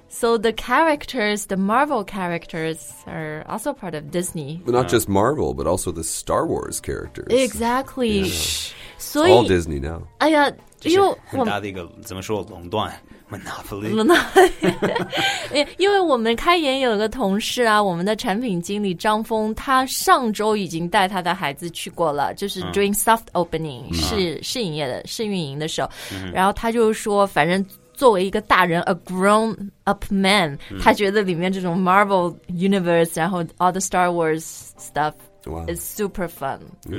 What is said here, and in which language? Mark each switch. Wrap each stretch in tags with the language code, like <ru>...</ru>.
<en>So, the characters, the Marvel characters, are also part of Disney. But not just Marvel, but also the Star Wars characters. Exactly. So, it's all Disney now.</en> <zh>哎呀，就是很大的一个，怎么说，垄断。</zh> <en>Monopoly. Because we have a colleague in the office, our product manager, Zhang Feng, he has already taken his children to the during soft opening, as a grown-up man, he thinks that Marvel Universe and all the Star Wars stuff is super fun.</en>